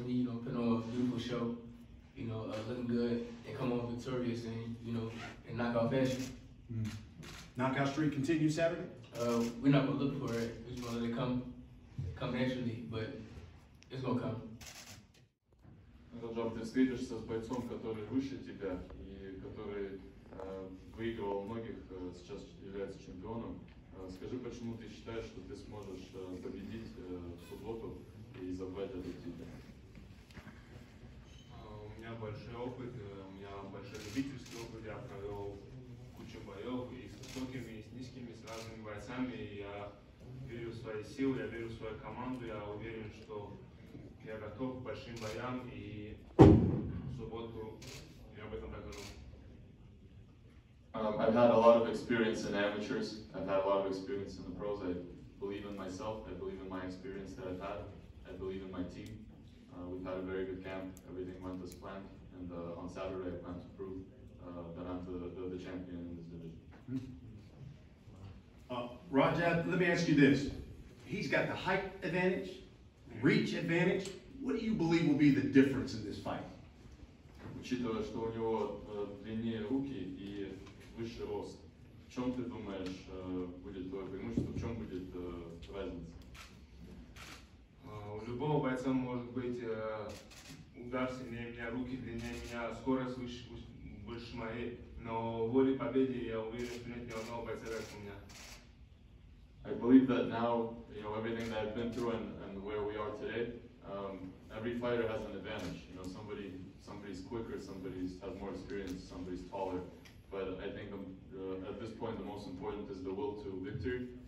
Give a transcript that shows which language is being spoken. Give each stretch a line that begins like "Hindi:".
English: Me, you're gonna put on a beautiful show. You know, looking good and come on victorious and, you know, and knock out fashion. Knockout streak continues Saturday? We're not going to look for it. We're just going to let it come naturally, but it's going to come.
Russian: Раджаб, ты встретишься с бойцом, который выше тебя и который выигрывал многих, сейчас является чемпионом. Скажи, почему ты считаешь, что ты сможешь победить в субботу и заботят о тебе. У меня большой опыт, у меня большой любительский опыт, я провел кучу боев и с высокими, и с низкими, с разными бойцами. Я верю в свои силы, я верю в свою команду, я уверен, что я готов к большим боям, и в субботу я об этом докажу.
English: I've had a lot of experience in amateurs. I've had a lot of experience in the pros. I believe in myself. I believe in my experience that I've had. I believe in my team. We've had a very good camp. Everything went as planned. And on Saturday, I plan to prove that I'm the champion in this division. Rajab, let me ask you this. He's got the height advantage, reach advantage. What do you believe will be the difference in this fight?
Russian: Учитывая, что у него длиннее руки и выше рост. В чем ты думаешь будет твое преимущество, в чем будет разница? У любого бойца может быть удар сильнее меня, руки длиннее меня, скорость выше моей, но воли победы я уверен, что нет ни одного бойца, как у меня.
English: I believe that now, you know, everything that I've been through and where we are today, every fighter has an advantage. You know, somebody's quicker, somebody has more experience, somebody's taller. But I think at this point, the most important is the will to victory.